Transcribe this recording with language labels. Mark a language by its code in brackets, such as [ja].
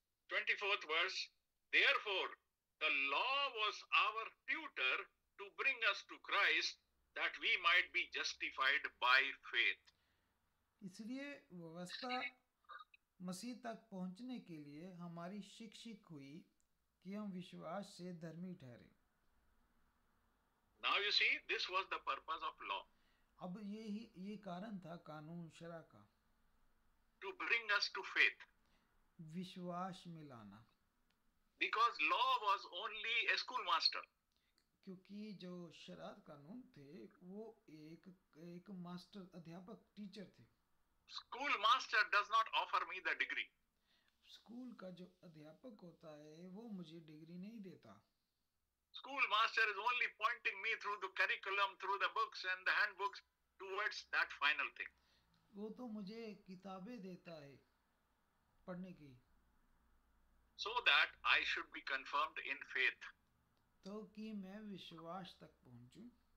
[en] 24th verse. Therefore, the law was our tutor to bring us to Christ, that we might be justified by faith. [hi] इसलिए व्यवस्था मसीह तक पहुंचने के लिए हमारी शिक्षिक हुई कि हम विश्वास से धर्मी ठहरे. [en] Now you see, this was the purpose of law. [hi] अब ये कारण था कानून शरा का. [en] To bring us to faith. [hi] विश्वास मिलाना. [en] Because law was only a schoolmaster. [hi] क्योंकि जो शरा कानून थे वो एक एक मास्टर अध्यापक टीचर थे. [en] School master does not offer me the degree. [hi] School का जो अध्यापक होता है वो मुझे डिग्री नहीं देता. [en] School master is only pointing me through the curriculum, through the books and the handbooks towards that final thing. [hi] वो तो मुझे किताबें देता है पढ़ने की. [en] So that I should be confirmed in faith. [hi] तो कि मैं विश्वास तक पहुंचूं.